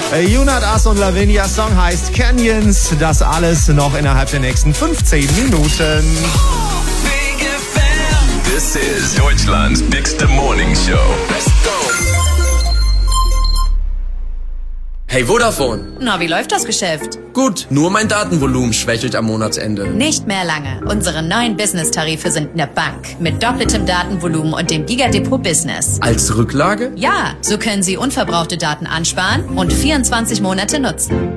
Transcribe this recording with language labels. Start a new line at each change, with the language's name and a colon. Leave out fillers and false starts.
German: Junat, Ass und Lavinia, Song heißt Canyons. Das alles noch innerhalb der nächsten 15 Minuten.
English: This is Deutschlands biggest morning show. Let's go. Hey Vodafone.
German: Na, wie läuft das Geschäft? Gut, nur mein Datenvolumen schwächelt am Monatsende. Nicht mehr lange. Unsere neuen Business-Tarife sind eine Bank. Mit doppeltem Datenvolumen und dem Gigadepot Business. Als Rücklage? Ja, so können Sie unverbrauchte Daten ansparen und 24 Monate nutzen.